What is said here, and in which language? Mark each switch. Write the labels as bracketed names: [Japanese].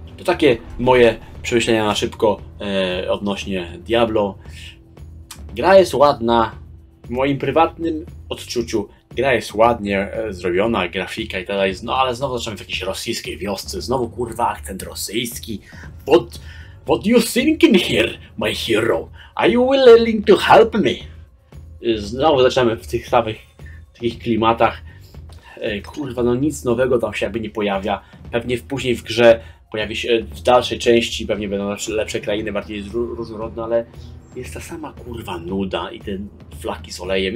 [Polish] To takie moje przemyślenia na szybko odnośnie Diablo. Gra jest ładna. W moim prywatnym odczuciu gra jest ładnie zrobiona, grafika i tak dalej, no ale znowu zaczynamy w jakiejś rosyjskiej wiosce, znowu kurwa akcent rosyjski. [English] What you thinking here, my hero? Are you willing to help me? [Polish] Znowu zaczynamy w tych samych takich klimatach. Kurwa, no nic nowego tam się jakby nie pojawia. Pewnie później w grze pojawi się w dalszej części, pewnie będą lepsze krainy, bardziej różnorodne, ale jest ta sama kurwa nuda i te flaki z olejem.